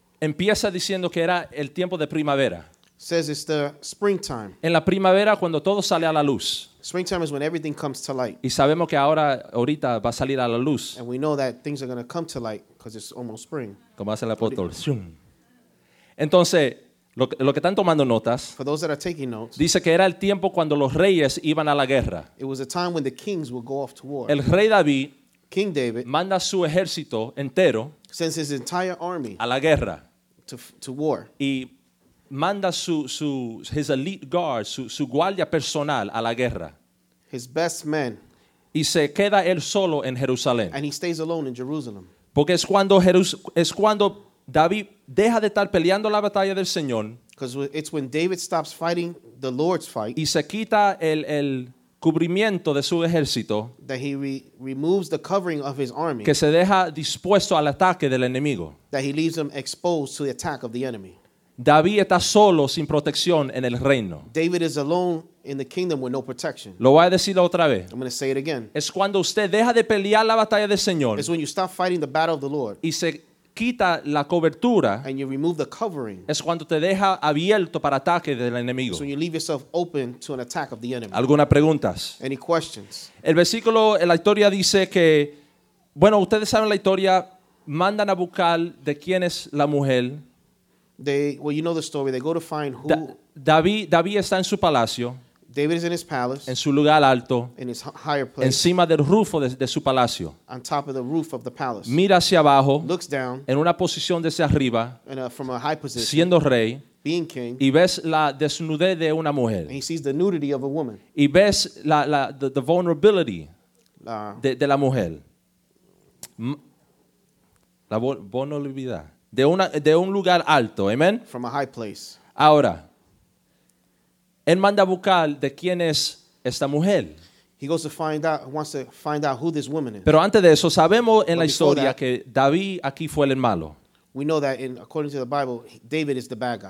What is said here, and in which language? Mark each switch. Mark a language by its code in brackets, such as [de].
[es] Empieza diciendo que era el tiempo de primavera. [en] Says it's the springtime. [es] En la primavera cuando todo sale a la luz. [en] Springtime is when everything comes to light. [es] Y sabemos que ahora ahorita va a salir a la luz. [en] And we know that things are going to come to light because it's almost spring. [es] Como hace el apóstol. Entonces, lo que están tomando notas. [en] For those that are taking notes. [es] Dice que era el tiempo cuando los reyes iban a la guerra. [en] It was a time when the kings would go off to war. [es] El rey David. [en] King David. [es] Manda su ejército entero. [en] Sends his entire army. [es] A la guerra. [en] To war. [es] Y manda [en] his elite guard, [es] su guardia personal a la guerra. [en] His best men. [es] Y se queda él solo en Jerusalén. [en] And he stays alone in Jerusalem. [es] Porque es cuando David deja de estar peleando la batalla del Señor. [en] Because it's when David stops fighting the Lord's fight. [es] Y se quita el cubrimiento de su ejército. [en] That he removes the covering of his army. [es] Que se deja dispuesto al ataque del enemigo. [en] That he leaves him exposed to the attack of the enemy. [es] David está solo sin protección en el reino. [en] David is alone in the kingdom with no protection. [es] Lo voy a decir otra vez. [en] I'm going to say it again. [es] Es cuando usted deja de pelear la batalla del Señor. [en] It's when you stop fighting the battle of the Lord. [es] Y se quita la cobertura. [en] And you remove the covering. [es] Es cuando te deja abierto para ataque del enemigo. [en] It's when you leave yourself open to an attack of the enemy. [es] ¿Algunas preguntas? [en] Any questions? [es] El versículo, la historia dice que, bueno, ustedes saben la historia, mandan a buscar de quién es la mujer. [en] You know the story. They go to find who. [es] David está en su palacio. [en] David is in his palace. [es] En su lugar alto. [en] In his higher place. [es] Encima del roof de su palacio. [en] On top of the roof of the palace. [es] Mira hacia abajo. [en] Looks down. [es] En una posición desde arriba. [en] From a high position. [es] Siendo rey. [en] Being king. [es] Y ves la desnudez de una mujer. [en] And he sees the nudity of a woman. [es] Y ves [en] the vulnerability [es] de la mujer. La vulnerabilidad. De un lugar alto, amen. [en] From a high place. [es] Ahora, él manda a buscar de quién es esta mujer. [en] He goes to find out, wants to find out who this woman is. [es] Pero antes de eso, sabemos en la historia que David aquí fue el malo. [en] We know that according to the Bible, David is the bad guy.